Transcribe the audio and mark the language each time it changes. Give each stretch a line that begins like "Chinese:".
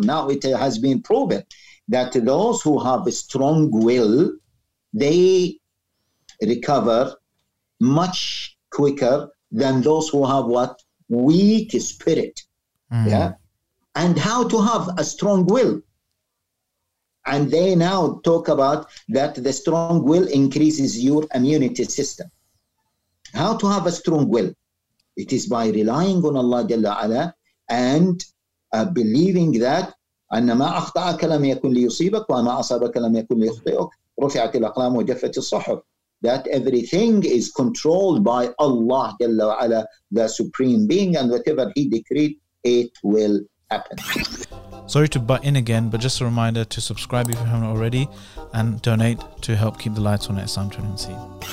English: Now it has been proven that those who have a strong will, they recover much quicker than those who have what? Weak spirit. Mm. Yeah. And how to have a strong will. And they now talk about that the strong will increases your immunity system. How to have a strong will? It is by relying on Allah Jalla Ala and believing that
Arabic: أن ما أخطأك لم يكن ليصيبك وما أصابك لم يكن ليخطئك رفعت الأقلام وجفت الصحف.
English: That everything is controlled by Allah Jalla wa Ala, the Supreme Being, and whatever He decreed, it will happen. Sorry to butt in again, but just a reminder to subscribe if you haven't already and donate to help keep the lights on at Islam Training Scene.